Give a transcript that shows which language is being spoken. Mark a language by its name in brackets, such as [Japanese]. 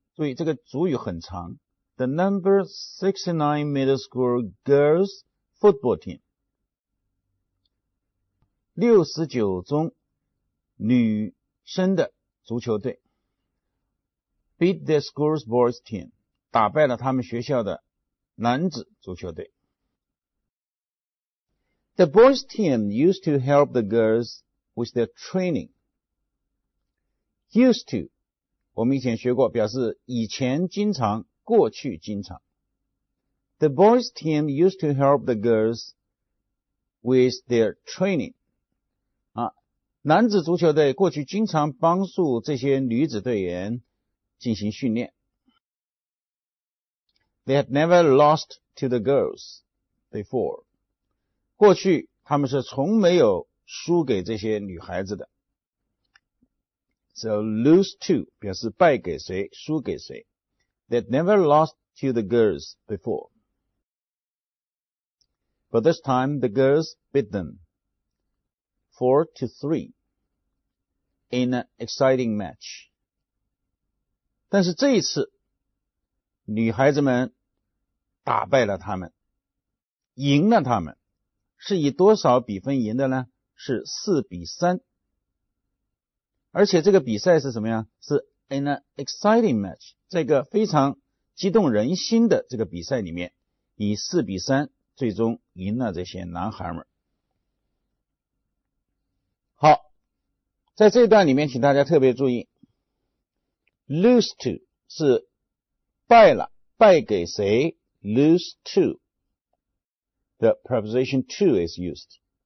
[Chinese] 所以这个主语很长 [English] The number 69 middle school girls football team [Chinese] 69中女生的足球队 [English] beat the school's boys team [Chinese] 打败了他们学校的男子足球队 [English] The boys team used to help the girls with their training used to [Chinese] 我们以前学过表示以前经常过去经常 [English] The boys team used to help the girls with their training、 [Chinese] 啊、男子足球队过去经常帮助这些女子队员进行训练 [English] They had never lost to the girls before [Chinese] 过去他们是从没有输给这些女孩子的 [English] So lose to [Chinese] 表示败给谁输给谁 [English] They'd never lost to the girls before. But this time the girls beat them 4-3 in an exciting match. [Chinese] 但是这一次女孩子们打败了他们赢了他们是以多少比分赢的呢是4-3而且这个比赛是什么呀是 [English] in an exciting match [Chinese] 这个非常激动人心的这个比赛里面以4-3最终赢了这些男孩们好在这一段里面请大家特别注意 [English] lose to [Chinese] 是败了败给谁 [English] lose to the preposition to is used